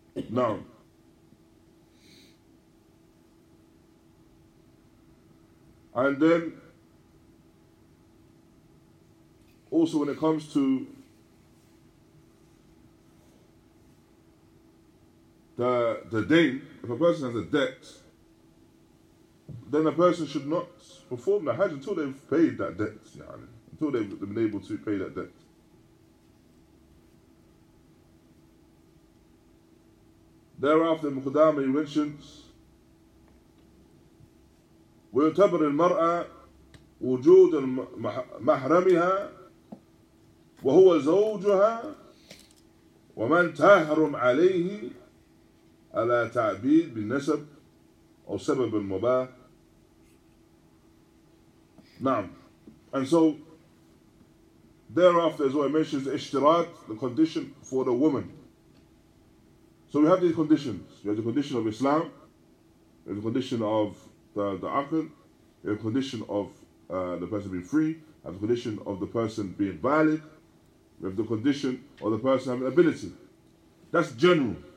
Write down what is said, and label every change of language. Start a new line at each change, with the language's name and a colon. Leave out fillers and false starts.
English: Now, and then also when it comes to the deen, if a person has a debt, then a person should not perform the Hajj until they've paid that debt, yani, until they've been able to pay that debt. Thereafter, Muqaddama, he mentions,
Arabic: ويعتبر المرأة وجود محرمها وهو زوجها ومن تحرم عليه على تعبيد بالنسب أو سبب المباح. نعم.
English: And so thereafter, as well, it mentions اشتراط, the condition for the woman. So we have these conditions. We have the condition of Islam, we have the condition of the aql, a condition of the person being free, and the condition of the person being valid, with the condition of the person having ability. That's general.